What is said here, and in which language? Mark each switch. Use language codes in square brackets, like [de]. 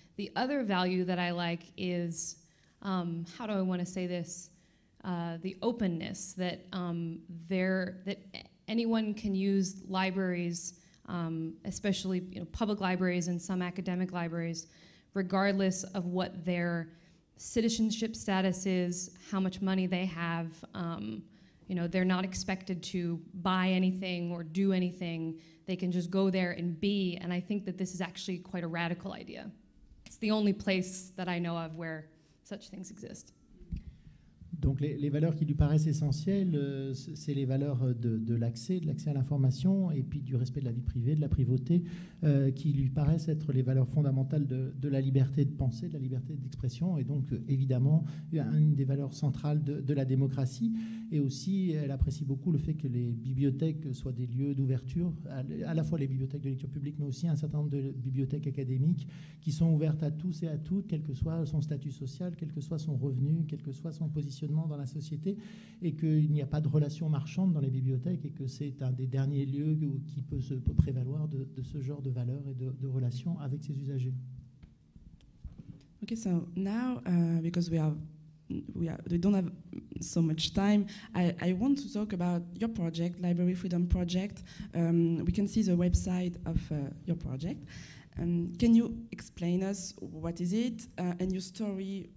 [en] The other value that I like is, how do I want to say this, the openness that that anyone can use libraries, especially public libraries and some academic libraries, regardless of what their citizenship status is, how much money they have. They're not expected to buy anything or do anything. They can just go there and be, and I think that this is actually quite a radical idea. It's the only place that I know of where such things exist. [fr] Donc les valeurs qui lui paraissent essentielles, c'est les valeurs de l'accès à l'information, et puis du respect de la vie privée, de la privauté, qui lui paraissent être les valeurs fondamentales de la liberté de penser, de la liberté d'expression, et donc évidemment une des valeurs centrales de la démocratie. Et aussi, elle apprécie beaucoup le fait que les bibliothèques soient des lieux d'ouverture, à la fois les bibliothèques de lecture publique, mais aussi un certain nombre de bibliothèques académiques qui sont ouvertes à tous et à toutes, quel que soit son statut social, quel que soit son revenu, quel que soit son positionnement dans la société, et qu'il n'y a pas de relation marchande dans les bibliothèques, et que c'est un des derniers lieux qui peut se prévaloir de ce genre de valeurs et de relations avec ses usagers. [en] Okay, so now, because we don't have so much time, I want to talk about your project, Library Freedom Project. We can see the website of your project. Can you explain us what is it and your story?